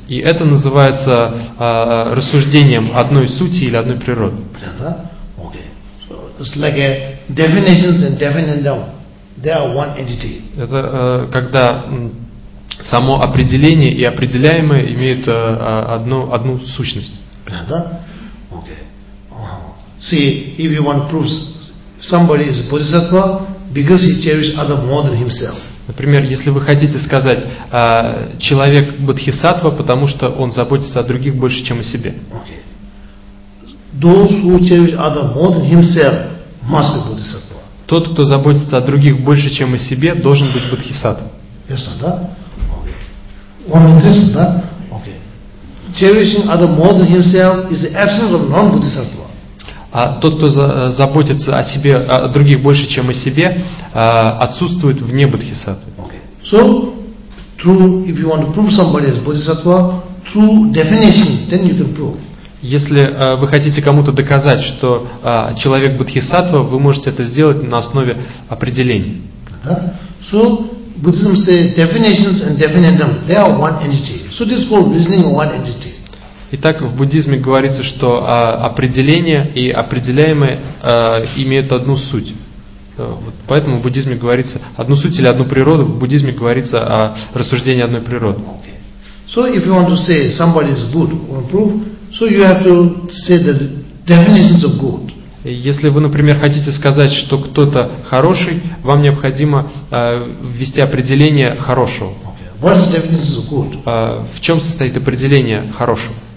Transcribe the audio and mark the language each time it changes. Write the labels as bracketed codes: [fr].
[ru] И это называется рассуждением одной сути или одной природы. Понятно? [en] It's like a definitions and definite them. They are one entity. [ru] Это когда само определение и определяемое имеют одну сущность. Да? [en] Okay. See, if you want proof, somebody is bodhisattva because he cherishes other more than himself. [ru] Например, если вы хотите сказать, человек бодхисаттва, потому что он заботится о других больше, чем о себе. [en] Okay. Those who cherish other more than himself. Must be bodhisattva. [ru] Тот, кто заботится о других больше, чем о себе, должен быть бодхисаттва. Ясно, да? Он интересен, да? [en] Okay. Cherishing other more than himself is the absence of non-bodhisattva. [ru] А тот, кто заботится о себе, о других больше, чем о себе, отсутствует вне бодхисаттвы. [en] Okay. So, through, if you want to prove somebody is bodhisattva, through definition, then you can prove. [ru] Если вы хотите кому-то доказать, что человек бодхисаттва, вы можете это сделать на основе определений. Да? [en] So Buddhism says definitions and definendum, they are one entity. So this is called reasoning of one entity. [ru] Итак, в буддизме говорится, что определение и определяемое имеют одну суть. Вот поэтому в буддизме говорится одну суть или одну природу, в буддизме говорится о рассуждении одной природы. [en] So if you want to say somebody is good or proof, so you have to say the definitions of good. [ru] Если вы, например, хотите сказать, что кто-то хороший, вам необходимо ввести определение хорошего. [en] Okay. What is the definition of good? [ru] В чем состоит определение хорошего?